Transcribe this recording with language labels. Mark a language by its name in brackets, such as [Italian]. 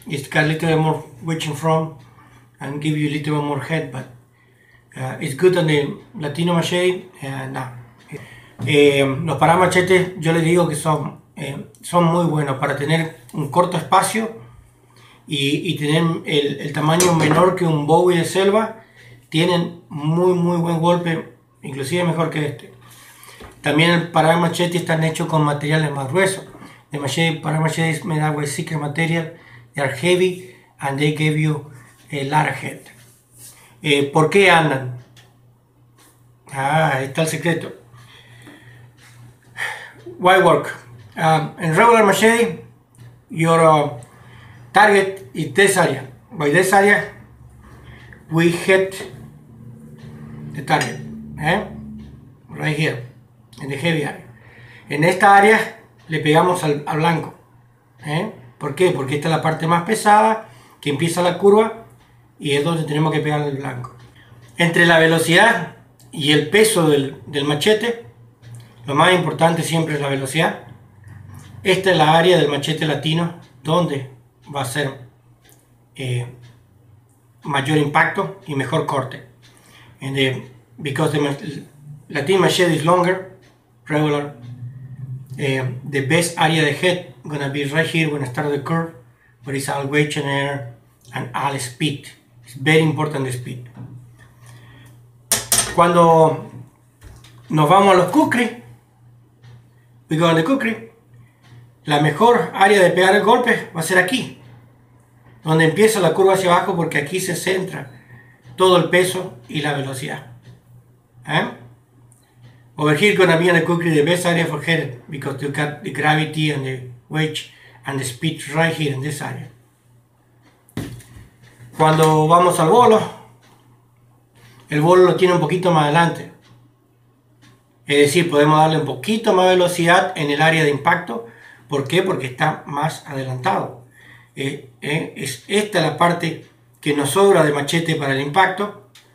[English] It's got a little bit more reach in front and give you a little bit more head, but it's good on the Latino machete. [Spanish] No. Los paramachetes, yo les digo que son muy buenos para tener un corto espacio y tener el tamaño menor que un Bowie de selva. Tienen muy buen golpe, inclusive mejor que este. También el pará machete están hechos con materiales más gruesos. El machete, pará machete es [English] made up with thicker material, they are heavy and they give you a large head. [Spanish] ¿Por qué andan? Ah, ahí está el secreto. [English] Why work? En regular machete, your target is this area. By this area, we hit the target. Right here. En el heavy area. [Spanish] En esta área le pegamos al blanco. ¿Por qué? Porque esta es la parte más pesada que empieza la curva y es donde tenemos que pegar al blanco. Entre la velocidad y el peso del machete, lo más importante siempre es la velocidad. Esta es la área del machete latino donde va a ser mayor impacto y mejor corte. [English] Because the Latin machete is longer. Regular, the best area of the head gonna be right here when I start the curve, but it's all wedge and air and all speed. It's very important speed. [Spanish] Cuando nos vamos a los kukri, [English] we go on the kukri, [Spanish] la mejor área de pegar el golpe va a ser aquí, donde empieza la curva hacia abajo, porque aquí se centra todo el peso y la velocidad. [English] Over here gonna be on the kukri, the best area for head because you got the gravity and the wedge and the speed right here in this area. [Spanish] Cuando vamos al bolo, el bolo lo tiene un poquito más adelante. Es decir, podemos darle un poquito más velocidad en el área de impacto. ¿Por qué? Porque está más adelantado. Esta es la parte que nos sobra de machete para el impacto.